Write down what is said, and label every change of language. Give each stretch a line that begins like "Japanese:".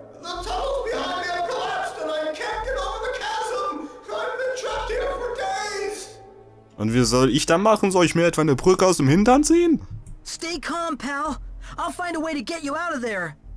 English: The tunnels behind me have collapsed and I can't get over the chasm! I've been trapped here for days!
German: Und wie soll ich da machen? Soll ich mir etwa eine Brücke aus dem Hintern ziehen?
English: Stay calm, pal. I'll find a way to get you out of there.